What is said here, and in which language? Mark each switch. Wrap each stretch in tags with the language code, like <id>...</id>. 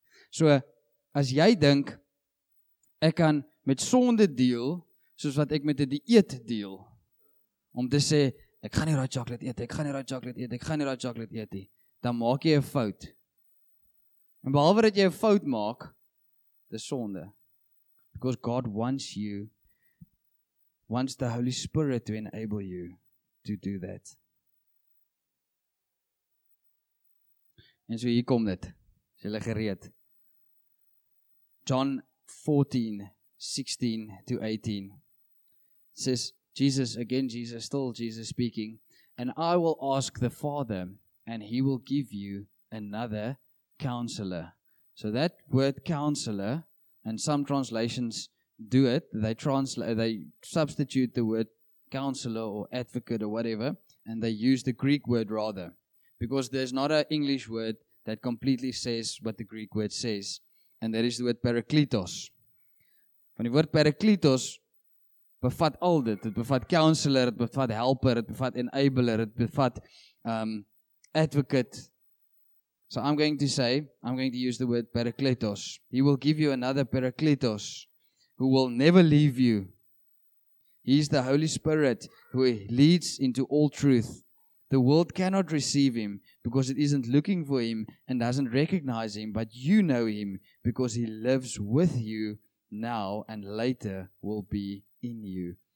<af>So, as jy dink, ek kan met sonde deel, soos wat ek met 'n dieet deel, om te sê, ek gaan nie raai chocolate eet, ek gaan nie raai chocolate eet, ek gaan nie raai chocolate eet nie, dan maak jy 'n fout. En behalwe dat jy 'n fout maak, dis sonde.</af> <en>Because God wants the Holy Spirit to enable you to do that.</en> <af>En so hier kom dit. Is julle gereed?</af> <en>John 14:16-18 says Jesus speaking, and I will ask the Father, and he will give you another counselor. So that word counselor, and some translations do it, they substitute the word counselor or advocate or whatever, and they use the Greek word rather, because there's not an English word that completely says what the Greek word says, and that is the word parakletos.</en> <af>Van die woord parakletos bevat al dit, het bevat counselor, het bevat helper, het bevat enabler, het bevat advocate.</af> <en>So I'm going to use the word parakletos. He will give you another parakletos, who will never leave you. He is the Holy Spirit who leads into all truth. The world cannot receive him because it isn't looking for him and doesn't recognize him, but you know him because he lives with you now and later will be in you.</en>